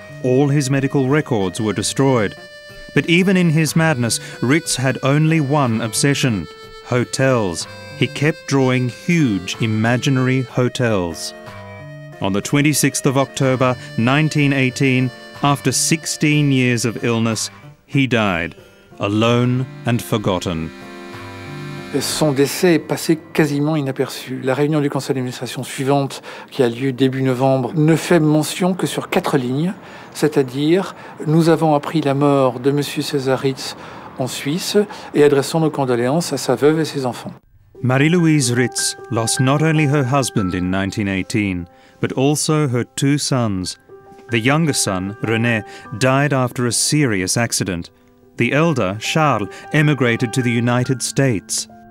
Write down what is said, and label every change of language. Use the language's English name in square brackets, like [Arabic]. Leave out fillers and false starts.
[English] All his medical records were destroyed. But even in his madness, Ritz had only one obsession: hotels. He kept drawing huge imaginary hotels. On the 26th of October, 1918, after 16 years of illness, he died, alone and forgotten. [French] Son décès est passé quasiment inaperçu. La réunion du conseil d'administration suivante, qui a lieu début novembre, ne fait mention que sur quatre lignes, c'est-à-dire « Nous avons appris la mort de M. César Ritz en Suisse et adressons nos condoléances à sa veuve et ses enfants. » [English] Marie-Louise Ritz lost not only her husband in 1918, but also her two sons. The younger son, René, died after a serious accident. The elder, Charles, emigrated to the United States.